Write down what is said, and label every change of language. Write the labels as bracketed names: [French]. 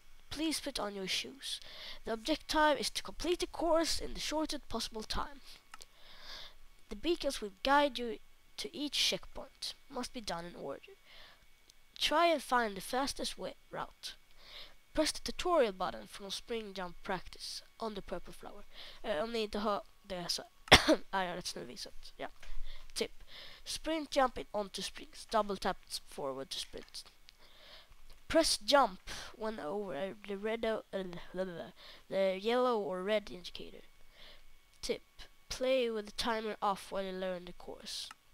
[English] Please put on your shoes. The objective is to complete the course in the shortest possible time. The beacons will guide you to each checkpoint. Must be done in order. Try and find the fastest way route. Press the tutorial button from spring jump practice on the purple flower. [Swedish] Om ni inte har det så är jag rätt snurvig, så ja. [English] Tip. Sprint jumping onto springs. Double tap forward to sprint. Press jump when over the red the yellow or red indicator. Tip. Play with the timer off while you learn the course.